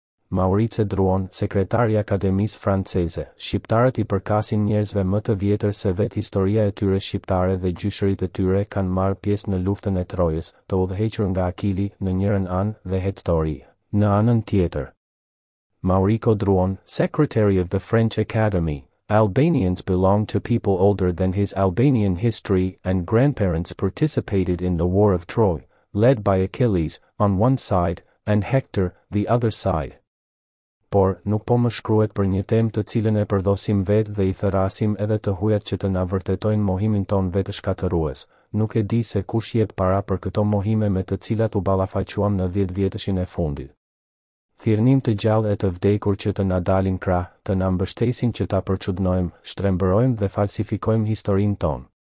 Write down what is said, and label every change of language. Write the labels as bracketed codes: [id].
[sq] Maurice Druon, sekretari i Akademisë Franceze, Shqiptarët i përkasin njerëzve më të vjetër se vet historia e tyre shqiptare dhe gjyshërit e tyre kanë marrë pjesë në luftën e Trojës, të udhëhequr nga Akili në njërën anë dhe Hektori në anën tjetër. [en] Maurice Druon, secretary of the French Academy, Albanians belong to people older than his Albanian history and grandparents participated in the War of Troy, led by Achilles, on one side, and Hector, the other side. [sq] Por, nuk po më shkruhet për një temë të cilën e përdhosim vetë dhe i therrasim edhe të hujat që të na vërtetojnë mohimin ton vetë shkatërues. Nuk e di se kush jep para për këto mohime me të cilat u ballafaquam në 10 vjetëshin e fundit. Thirrnim të gjallë e të vdekur që të na dalin krah, të na mbështesin që ta përçudnojmë, shtrembërojmë dhe falsifikojmë historinë ton.